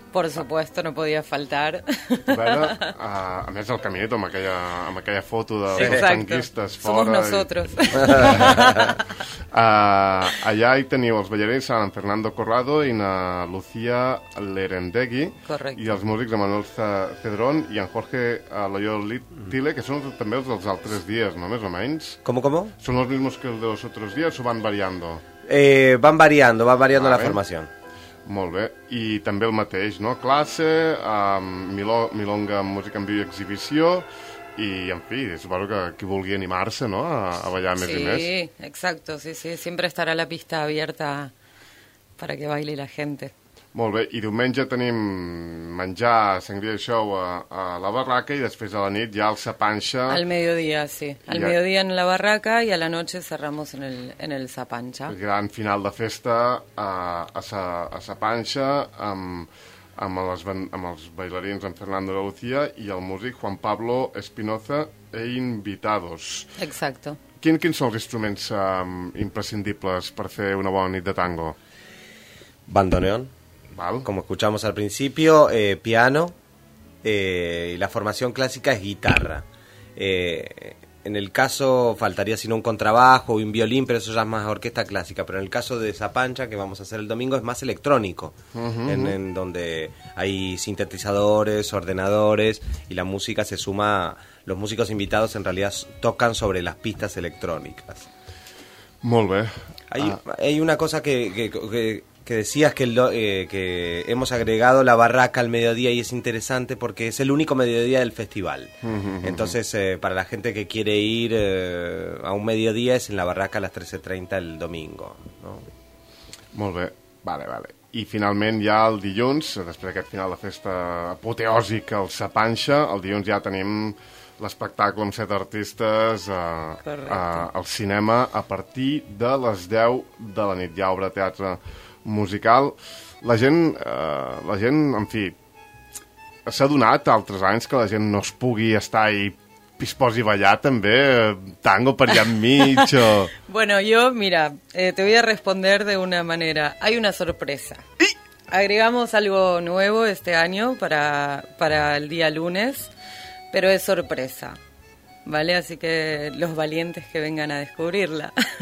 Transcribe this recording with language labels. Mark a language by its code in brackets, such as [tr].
[es] Por supuesto, [ca] no podia faltar. A més el Caminito amb aquella foto de sí, tanquistes fora. [es] Somos nosotros. [ca] Allà hi teniu els ballarins, en Fernando Corrado i na Lucía Lerendegui. Correcte. I els músics, Manuel Cedrón i en Jorge Loyolitile, que són també els dels altres dies, no? Més o menys. [es] ¿Cómo? [ca] Són els mismos que els dels altres dies o van variando? [es] Van variando la formació. [ca] Molt bé. I també el mateix, no? Classe, milonga amb música en viu i exhibició, i, en fi, suposo que qui vulgui animar-se, no?, a ballar més sí, i més. [es] Sí, exacto, sí. Siempre estará la pista abierta para que baile la gente. [ca] Molt bé. I diumenge tenim menjar, sangria i xou a la barraca i després a la nit ja el Sapanxa. [es] Al mediodia, sí. Al mediodia en la barraca i a la noche cerramos en el Sapanxa. [ca] Gran final de festa a Sapanxa amb amb els bailarins, en Fernando de Lucía i el músic Juan Pablo Espinoza [es] e Invitados. Exacto. [ca] Quins són els instruments imprescindibles per fer una bona nit de tango? [es] Bandoneón. [ca] Val. [es] Como escuchamos al principio, piano, y la formación clásica es guitarra. En el caso, faltaría sino un contrabajo y un violín, pero eso ya es más orquesta clásica. Pero en el caso de Zapancha, que vamos a hacer el domingo, es más electrónico. Uh-huh. En donde hay sintetizadores, ordenadores, y la música se suma. Los músicos invitados en realidad tocan sobre las pistas electrónicas. Muy bien. Hay una cosa que decías que hemos agregado la barraca al mediodía, y es interesante porque es el único mediodía del festival. Entonces, para la gente que quiere ir a un mediodía, es en la barraca a las 13:30 el domingo, ¿no? [ca] Molt bé, vale. I finalment ja el dilluns, després d'aquest final de festa apoteòsic al Zapancha, el dilluns ja tenim l'espectacle amb 7 artistes al cinema a partir de les 10 de la nit. Hi ha obra de teatre musical. La gent, en fi, s'ha donat altres anys que la gent no es pugui estar i pisposi ballar també tango per allà enmig o... [es] Bueno, yo, mira, te voy a responder de una manera. Hay una sorpresa. ¿Y? Agregamos algo nuevo este año para el día lunes, pero es sorpresa, ¿vale? Así que los valientes que vengan a descubrirla.